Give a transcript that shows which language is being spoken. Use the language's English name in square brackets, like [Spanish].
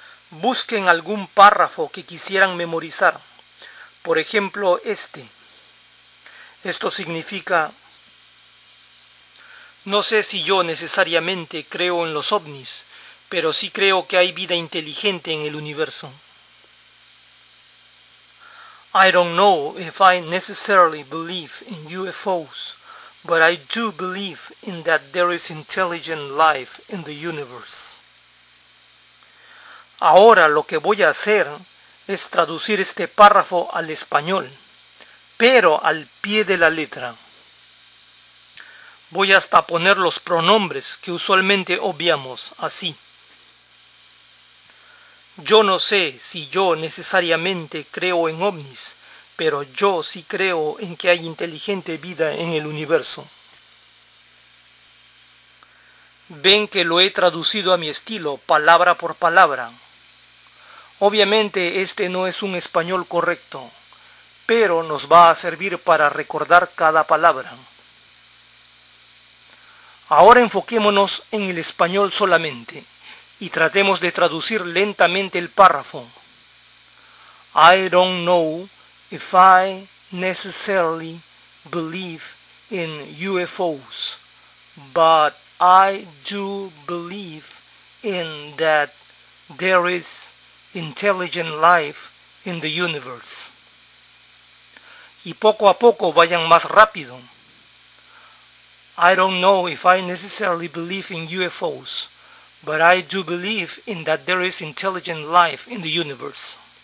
[Spanish] Busquen algún párrafo que quisieran memorizar. Por ejemplo, este. Esto significa: no sé si yo necesariamente creo en los ovnis, pero sí creo que hay vida inteligente en el universo. [English] I don't know if I necessarily believe in UFOs, but I do believe in that there is intelligent life in the universe. [Spanish] Ahora lo que voy a hacer es traducir este párrafo al español, pero al pie de la letra. Voy hasta poner los pronombres que usualmente obviamos, así. Yo no sé si yo necesariamente creo en ovnis, pero yo sí creo en que hay inteligente vida en el universo. Ven que lo he traducido a mi estilo, palabra por palabra. Obviamente este no es un español correcto, pero nos va a servir para recordar cada palabra. Ahora enfoquémonos en el español solamente y tratemos de traducir lentamente el párrafo. [English] I don't know if I necessarily believe in UFOs, but I do believe in that there is intelligent life in the universe. [Spanish] Y poco a poco vayan más rápido. [English] I don't know if I necessarily believe in UFOs, but I do believe in that there is intelligent life in the universe.